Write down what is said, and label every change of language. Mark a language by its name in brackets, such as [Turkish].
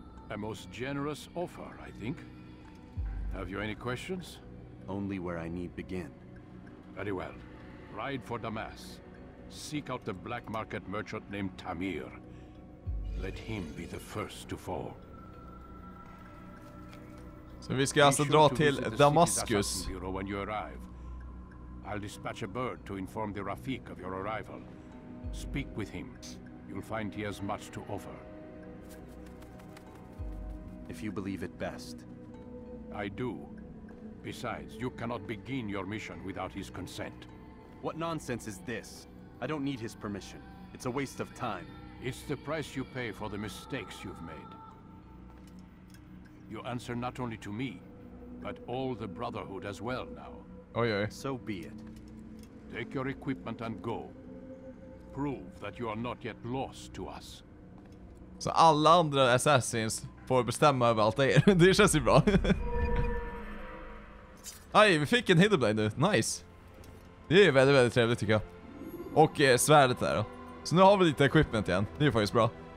[English] A most generous offer, I think. Have you any questions? Only where I need begin. Very well. Ride for Damas. Seek out the black market merchant named Tamir. Let him be the first to fall. [Swedish] Så vi ska alltså dra till Damaskus. [English] When you arrive, I'll dispatch a bird to inform the Rafik of your arrival. Speak with him. You'll find he has much to offer. If you believe it best. I do. Besides, you cannot begin your mission without his consent. What nonsense is this? I don't need his permission. It's a waste of time. It's the price you pay for the mistakes you've made. You answer not only to me, but all the Brotherhood as well now. Oh yeah. So be it. Take your equipment and go. Prove that you are not yet lost to us. [Swedish] Så alla andra assassins får bestämma över allt det är. Det känns ju bra. Aj, vi fick en hidden blade nu. Nice. Det är väldigt, väldigt trevligt tycker jag. Och svärdet där då. Så nu har vi lite equipment igen. Det är ju faktiskt bra.